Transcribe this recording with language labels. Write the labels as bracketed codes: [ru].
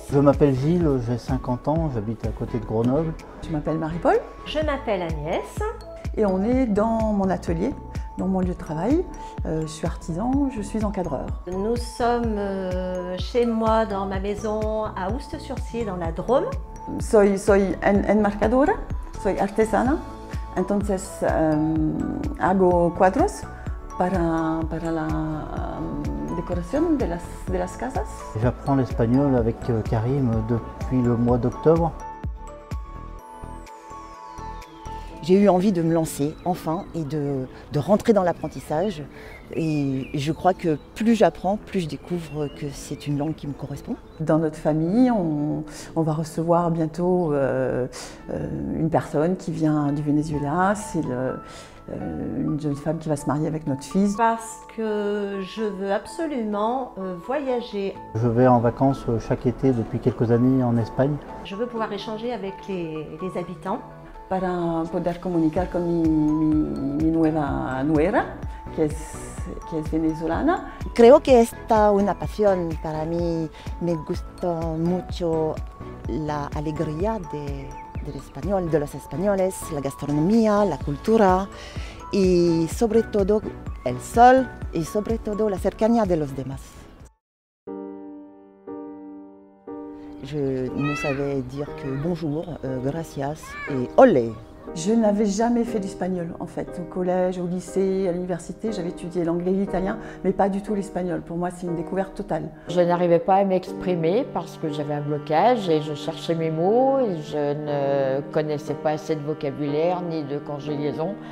[fr] Je m'appelle Gilles, j'ai 50 ans, j'habite à côté de Grenoble. Je m'appelle Marie-Paul. Je m'appelle Agnès. Et on est dans mon atelier, dans mon lieu de travail. Je suis artisan, je suis encadreur. Nous sommes chez moi dans ma maison à Oust-sur-Sier dans la Drôme. [es] Soy enmarcadora, soy artesana, entonces hago cuadros. Para la décoration de las casas. [fr] J'apprends l'espagnol avec Karim depuis le mois d'octobre. J'ai eu envie de me lancer enfin et de rentrer dans l'apprentissage. Et je crois que plus j'apprends, plus je découvre que c'est une langue qui me correspond. Dans notre famille, on va recevoir bientôt une personne qui vient du Venezuela. C'est une jeune femme qui va se marier avec notre fils. Parce que je veux absolument voyager. Je vais en vacances chaque été depuis quelques années en Espagne. Je veux pouvoir échanger avec les habitants. [es] Para poder comunicar con mi nueva nuera, que es venezolana. Creo que esta una pasión para mí. Me gusta mucho la alegría del español, de los españoles, la gastronomía, la cultura y sobre todo el sol y sobre todo la cercanía de los demás. [fr] Je ne savais dire que bonjour, gracias et olé. Je n'avais jamais fait d'espagnol en fait. Au collège, au lycée, à l'université, j'avais étudié l'anglais et l'italien, mais pas du tout l'espagnol. Pour moi, c'est une découverte totale. Je n'arrivais pas à m'exprimer parce que j'avais un blocage et je cherchais mes mots et je ne connaissais pas assez de vocabulaire ni de conjugaison.